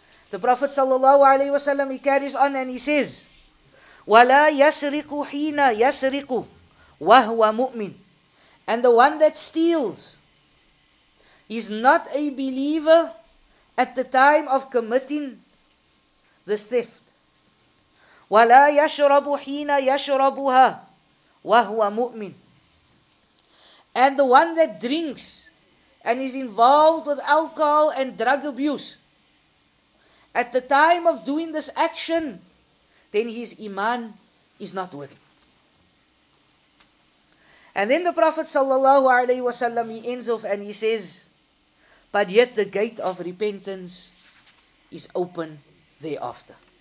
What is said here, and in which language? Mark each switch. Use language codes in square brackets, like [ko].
[en] The Prophet sallallahu alayhi wa sallam, he carries on and he says, [ar] ولا يسرق حين يسرق وهو مؤمن. [en] And the one that steals is not a believer at the time of committing this theft. [ar] ولا يشرب حين يشربها وهو مؤمن. [en] And the one that drinks and is involved with alcohol and drug abuse at the time of doing this action, then his iman is not worthy. And then the Prophet sallallahu alayhi wasallam, he ends off and he says, but yet the gate of repentance is open thereafter.